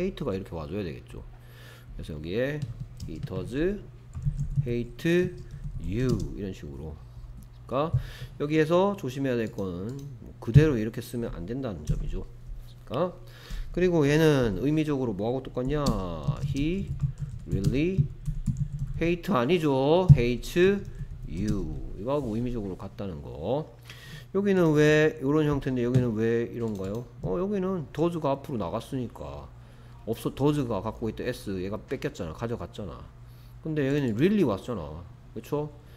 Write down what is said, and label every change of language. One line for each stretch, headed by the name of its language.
Korean: 헤이트가 이렇게 와줘야 되겠죠. 그래서 여기에
English: he does hate you
Korean: 이런 식으로. 그러니까 여기에서 조심해야 될 거는 그대로 이렇게 쓰면 안 된다는 점이죠. 그러니까 그리고 얘는 의미적으로 뭐하고 똑같냐?
English: he really hate
Korean: 아니죠?
English: hate you
Korean: 이거하고 의미적으로 같다는 거. 여기는 왜 이런 형태인데 여기는 왜 이런가요? 여기는 더즈가 앞으로 나갔으니까 없어. 더즈가 갖고 있던 S 얘가 뺏겼잖아, 가져갔잖아. 근데 여기는 really 왔잖아, 그쵸?